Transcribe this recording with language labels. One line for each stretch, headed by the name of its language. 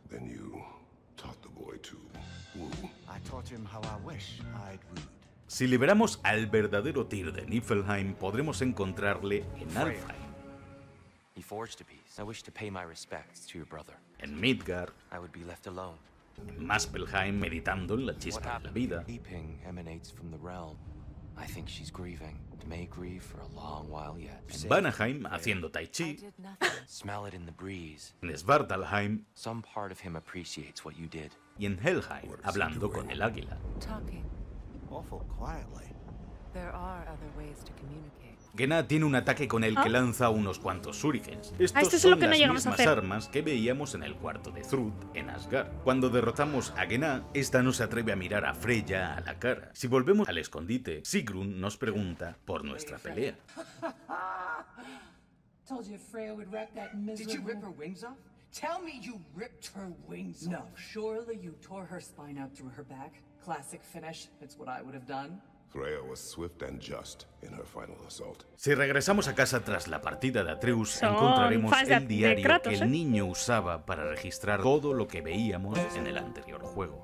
English: Then you taught the boy to woo. I taught him how I wish I'd wooed.
Spanish: Si liberamos al verdadero Tyr de Niflheim, podremos encontrarle en Alfheim.
English: He forged a piece. I wish to pay my respects to your brother.
Spanish: En Midgard.
English: I would be left alone.
Spanish: En Maspelheim, meditando en la chispa de la vida.
English: Weeping emanates from the realm. I think she's grieving. May grieve for a long while yet.
Spanish: En Vanaheim, haciendo tai chi.
English: Smell it in the breeze.
Spanish: En Svartalheim.
English: Some part of him appreciates what you did.
Spanish: Y en Helheim, hablando con el águila.
English: Talking. Awful quietly. There are other ways to communicate.
Spanish: Gena tiene un ataque con el que lanza unos cuantos shurikens. Estos son las mismas armas que veíamos en el cuarto de Thrud, en Asgard. Cuando derrotamos a Gena, esta no se atreve a mirar a Freya a la cara. Si volvemos al escondite, Sigrun nos pregunta por nuestra pelea.
English: Told you Freya would wreck that miserable... Did you rip her wings off? Tell me you ripped her wings off. No, surely you tore her spine out through her back. Classic finish, it's what I would have done. Freya was swift and just in her final assault.
Spanish: Si regresamos a casa tras la partida de Atreus, encontraremos el diario Kratos, que el niño usaba para registrar todo lo que veíamos en el anterior juego.